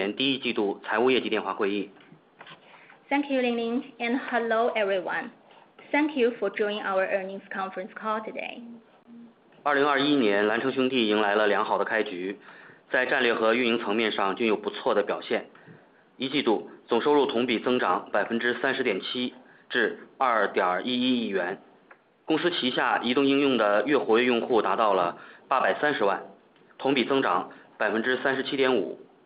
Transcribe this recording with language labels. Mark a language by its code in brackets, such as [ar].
[zh] 感谢大家参加蓝城兄弟2021年第一季度财务业绩电话会议。 [en] Thank you, Lingling, and hello, everyone. Thank you for joining our earnings conference call today. [zh] 2021年，蓝城兄弟迎来了良好的开局，在战略和运营层面上均有不错的表现。一季度总收入同比增长30.7%至2.11亿元。公司旗下移动应用的月活跃用户达到了830万，同比增长37.5%。